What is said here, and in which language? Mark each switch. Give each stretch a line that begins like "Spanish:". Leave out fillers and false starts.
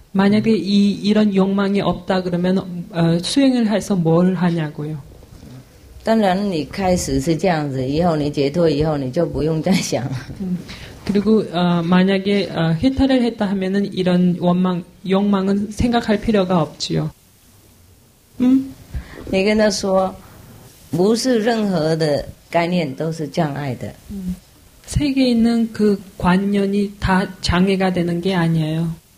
Korean: 만약에 이런 욕망이 없다 그러면 수행을 해서 뭘 하냐고요?
Chinese: 当然，你开始是这样子，以后你解脱以后，你就不用再想了。
Korean: 그리고 만약에 해탈을 했다 하면은 이런 원망, 욕망은 생각할 필요가 없지요.
Chinese: 你跟他说，不是任何的概念都是障碍的。
Korean: 세계에 있는 그 관념이 다 장애가 되는 게 아니에요.